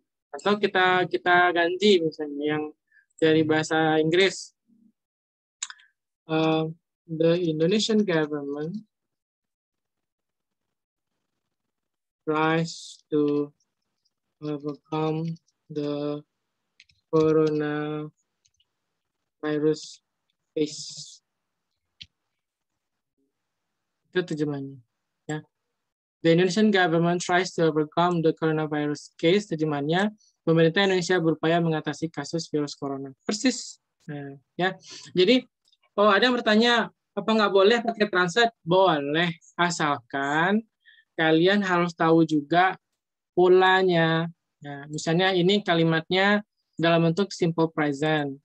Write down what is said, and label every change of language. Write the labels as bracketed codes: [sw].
[id] Atau kita ganti misalnya yang dari bahasa Inggris. [en] The Indonesian government tries to overcome the coronavirus case. [id] Itu terjemahannya. Ya. [en] The Indonesian government tries to overcome the coronavirus case. [id] Terjemahannya, pemerintah Indonesia berupaya mengatasi kasus virus corona. Persis. Nah, ya. Jadi, oh, ada yang bertanya, apa nggak boleh pakai translate? Boleh, asalkan kalian harus tahu juga polanya. Nah, misalnya ini kalimatnya dalam bentuk simple present.